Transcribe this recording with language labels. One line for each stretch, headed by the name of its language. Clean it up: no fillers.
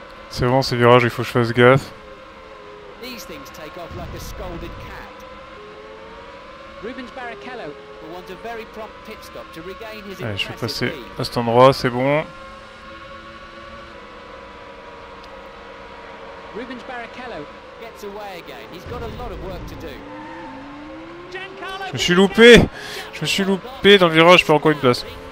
French: C'est vraiment ces virages, il faut que je fasse gaffe.
English: These things take off like a scolded cat. Rubens Barrichello will want a very prompt pit stop to regain his impressive lead.
French: Allez, je vais passer à cet endroit, c'est bon.
English: Rubens Barrichello gets away again. He's got a lot of work to do.
French: Je me suis loupé. Je me suis loupé dans le virage, je perds encore une place.